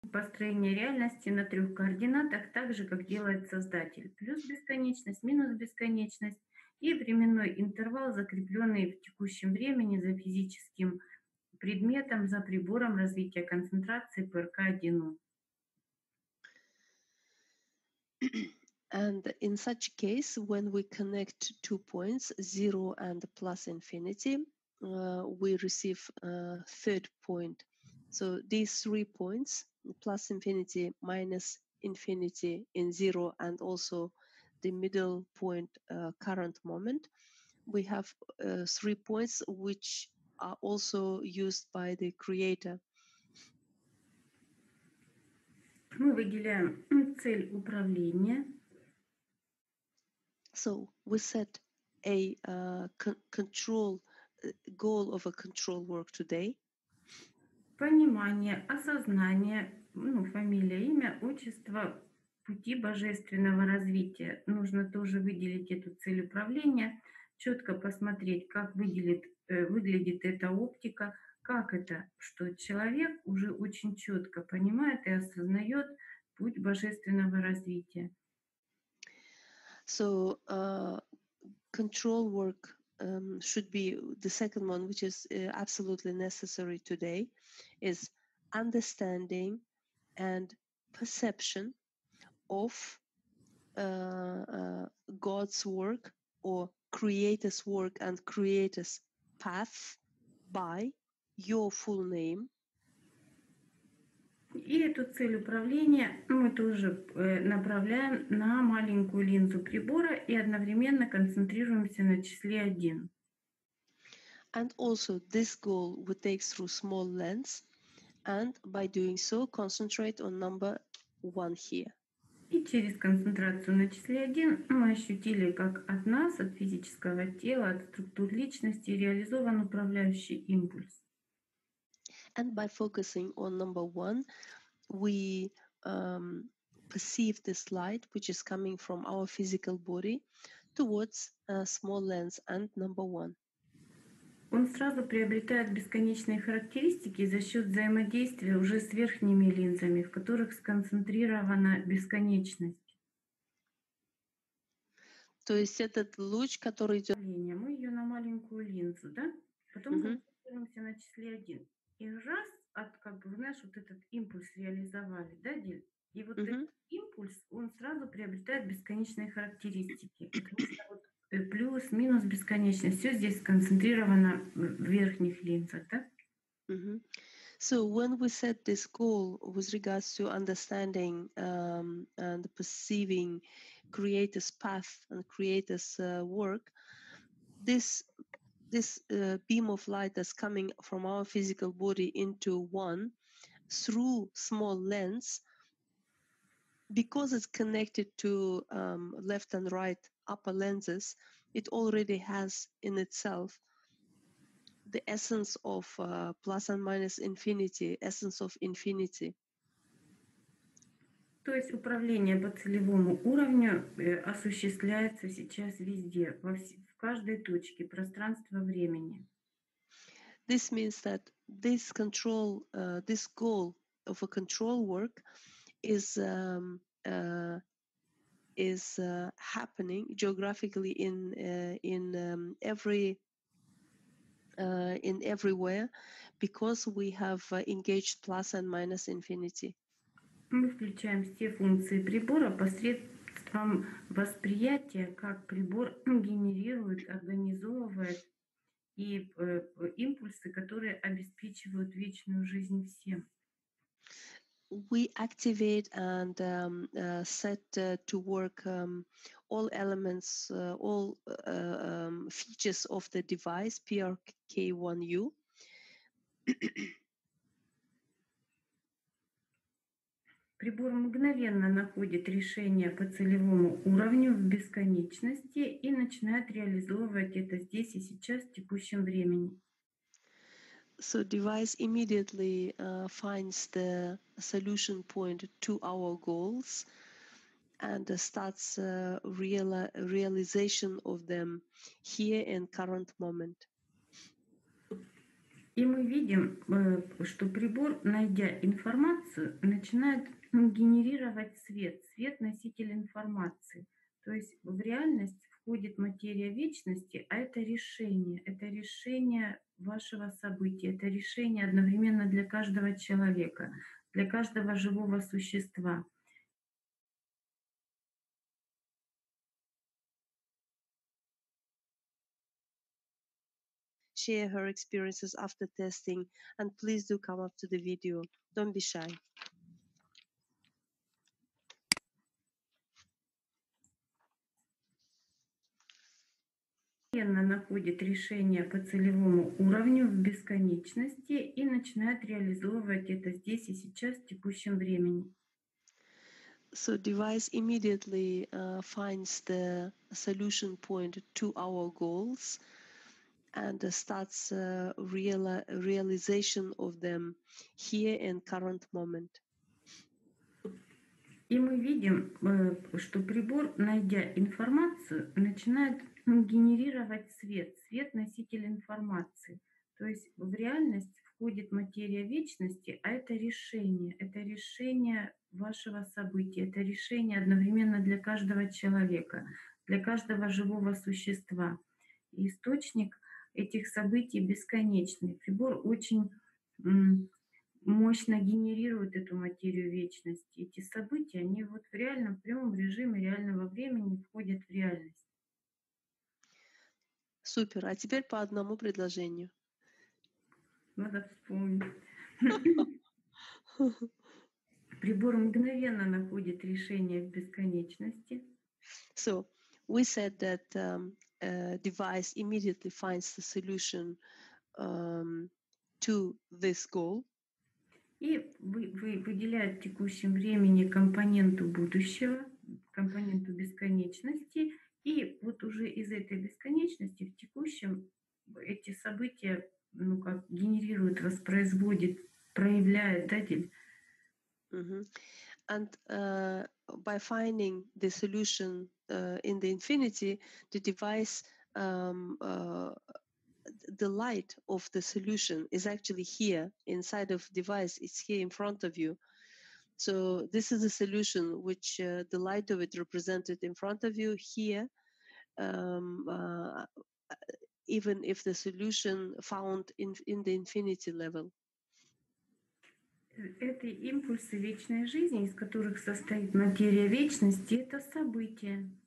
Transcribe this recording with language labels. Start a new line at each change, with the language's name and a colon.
Russian: построение реальности на трех координатах, так же, как делает Создатель. Плюс бесконечность, минус бесконечность и временной интервал, закрепленный в текущем времени за физическим предметом, за прибором развития концентрации ПРК-1У.
English: And in such case, when we connect two points, zero and plus infinity, we receive a third point. So these three points, plus infinity, minus infinity in zero, and also the middle point, current moment, we have three points which are also used by the creator.
Russian: Мы выделяем цель управления.
English: So we set a control goal of a control work today.
Russian: Понимание, осознание, ну, фамилия, имя, отчество, пути божественного развития. Нужно тоже выделить эту цель управления, четко посмотреть, как выглядит эта оптика. Как это, что человек уже очень четко понимает и осознает путь божественного развития?
English: So control work should be the second one, which is absolutely necessary today, is understanding and perception of God's work or creator's work and creator's path by your full name.
Russian: И эту цель управления мы тоже направляем на маленькую линзу прибора и одновременно концентрируемся на числе 1.
English: And also this goal we take through small lens and by doing so concentrate on number 1 here.
Russian: И через концентрацию на числе 1 мы ощутили, как от нас, от физического тела, от структур личности реализован управляющий импульс.
English: And by focusing on number one, we perceive this light, which is coming from our physical body, towards a small lens and number one.
Russian: Он сразу приобретает бесконечные характеристики за счет взаимодействия уже с верхними линзами, в которых сконцентрирована бесконечность. То есть этот луч, который идет... Мы ее на маленькую линзу, да? Потом концентрируемся на числе 1. И раз, от, как бы, знаешь, вот этот импульс реализовали, да, Диль? И вот этот импульс, он сразу приобретает бесконечные характеристики. Вот плюс, минус, бесконечность. Все здесь сконцентрировано в верхних линзах, да?
English: So when we set this goal with regards to understanding and perceiving creator's path and creator's work, this beam of light that's coming from our physical body into one through small lens, because it's connected to left and right upper lenses, it already has in itself the essence of plus and minus infinity, essence of infinity.
Russian: То есть управление по целевому уровню осуществляется сейчас везде, в каждой точке пространства времени.
English: This means that this control, this goal of a control work is happening geographically in everywhere, because we have engaged plus and minus infinity.
Russian: Мы включаем все функции прибора посредством восприятия, как прибор генерирует, организовывает и импульсы, которые обеспечивают вечную жизнь всем.
English: We activate and set to work all elements, all features of the device PRK1U.
Russian: Прибор мгновенно находит решение по целевому уровню в бесконечности и начинает реализовывать это здесь и сейчас, в текущем времени.
English: So device immediately finds the solution point to our goals and starts realization of them here in current moment.
Russian: И мы видим, что прибор, найдя информацию, начинает генерировать свет, свет-носитель информации. То есть в реальность входит материя вечности, а это решение вашего события, это решение одновременно для каждого человека, для каждого живого существа.
English: Share her experiences after testing, and please do come up to the video. Don't be shy.
Russian: Она находит решение по целевому уровню в бесконечности и начинает реализовывать это здесь и сейчас, в текущем времени.
English: So device immediately finds the solution point to our goals. And starts realization of them here in current moment.
Russian: И мы видим, что прибор, найдя информацию, начинает генерировать свет, свет-носитель информации. То есть в реальность входит материя вечности, а это решение вашего события, это решение одновременно для каждого человека, для каждого живого существа. Источник этих событий бесконечны. Прибор очень мощно генерирует эту материю вечности. Эти события, они вот в реальном, в прямом режиме реального времени входят в реальность. Супер. А теперь по одному предложению. Надо вспомнить. Прибор мгновенно находит решение в бесконечности.
English: So, we said that device immediately finds the solution to this goal.
Russian: И вы выделяете в текущем времени компоненту будущего, компоненту бесконечности, и вот уже из этой бесконечности в текущем эти события, ну как генерирует, воспроизводит, проявляет, да, Диль? Mm-hmm.
English: And by finding the solution in the infinity, the device, the light of the solution is actually here inside of device. It's here in front of you. So this is a solution which the light of it represented in front of you here. Even if the solution found in the infinity level.
Russian: Это импульсы вечной жизни, из которых состоит материя вечности, это события.